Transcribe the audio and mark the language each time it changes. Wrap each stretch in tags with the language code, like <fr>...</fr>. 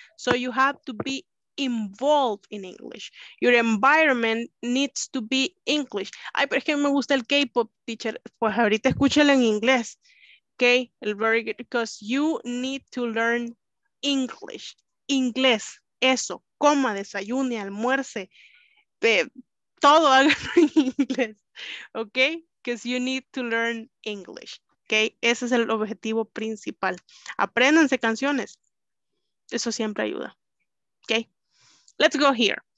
<en>So you have to be involved in English. Your environment needs to be English.</en> <es>Ay, pero es que me gusta el K-pop, teacher. Pues ahorita escúchenlo en inglés, okay?</es> <en>Very good, because you need to learn English.</en> <es>Inglés, eso. Coma, desayune, almuerce, todo haga en inglés, ¿ok?</es> <en>Because you need to learn English, ¿ok?</en> <es>Ese es el objetivo principal. Apréndanse canciones. Eso siempre ayuda, ¿ok?</es> <en>Let's go here.</en>